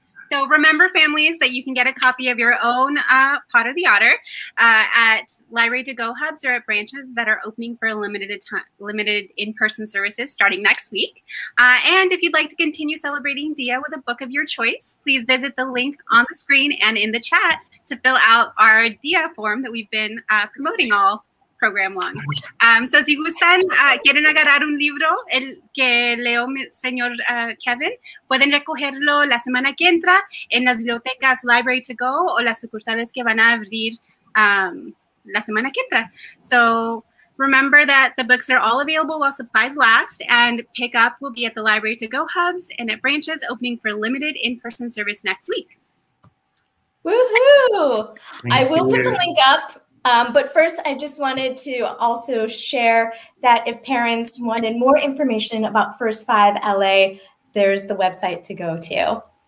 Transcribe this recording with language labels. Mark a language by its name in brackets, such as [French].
[English] So remember, families, that you can get a copy of your own Potter the Otter at Library to Go Hubs or at branches that are opening for limited in-person services starting next week. And if you'd like to continue celebrating Día with a book of your choice, please visit the link on the screen and in the chat to fill out our Día form that we've been promoting all program long. [Spanish] So si gustan, quieren agarrar un libro, el que leo mi señor Kevin, pueden recogerlo la semana que entra en las bibliotecas Library to Go o las sucursales que van a abrir la semana que entra. [English] So remember that the books are all available while supplies last, and pickup will be at the Library to Go hubs and at branches opening for limited in-person service next week. Woohoo! I will put the link up. But first, I just wanted to also share that if parents wanted more information about First Five LA, there's the website to go to.